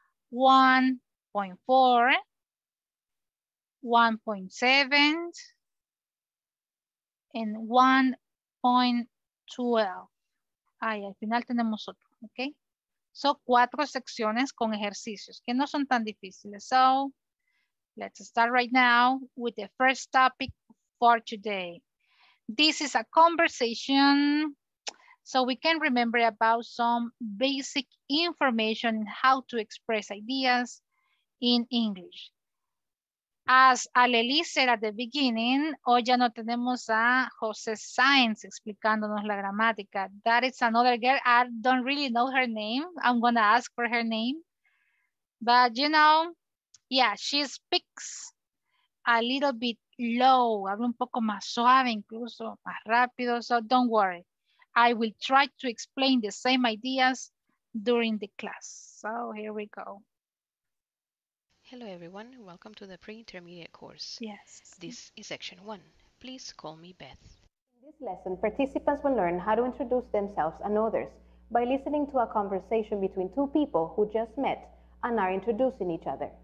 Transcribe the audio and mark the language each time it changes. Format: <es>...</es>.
<en>1.4, 1.7, and 1.12.</en> <es>Ay, al final tenemos otro, ¿ok? Son cuatro secciones con ejercicios que no son tan difíciles.</es> <en>So, let's start right now with the first topic for today. This is a conversation, so we can remember about some basic information on how to express ideas in English. As Aleli said at the beginning,</en> <es>hoy ya no tenemos a José Sáenz explicándonos la gramática.</es> <en>That is another girl. I don't really know her name. I'm going to ask for her name. But, you know, yeah, she speaks a little bit low.</en> <es>Habla un poco más suave, incluso más rápido.</es> <en>So don't worry. I will try to explain the same ideas during the class. So here we go. Hello, everyone. Welcome to the pre-intermediate course. Yes. This is section one. Please call me Beth. In this lesson, participants will learn how to introduce themselves and others by listening to a conversation between two people who just met and are introducing each other.</en>